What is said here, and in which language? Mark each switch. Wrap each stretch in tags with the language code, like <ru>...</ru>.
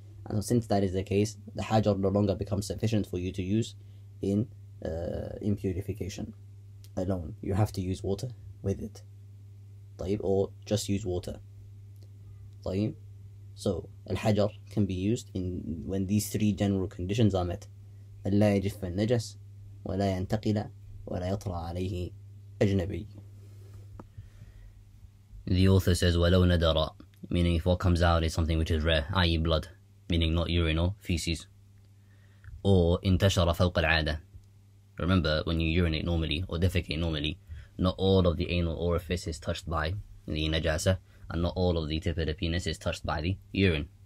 <en>And so since that is the case, the hajar no longer becomes sufficient for you to use in purification alone. You have to use water with it. طيب, or just use water. طيب. So الحجر can be used in when these three general conditions are met.</en> <ar>لا يجف النجس ولا ينتقل ولا يطرى عليه أجنبي.</ar> <en>The author says</en> <ar>ولو ندر,</ar> <en>meaning if what comes out is something which is rare, i.e. blood, meaning not urine or feces, or</en> <ar>انتشر فوق العادة.</ar> <en>Remember, when you urinate normally or defecate normally, not all of the anal orifice is touched by the najasa, and not all of the tip of the penis is touched by the urine.</en>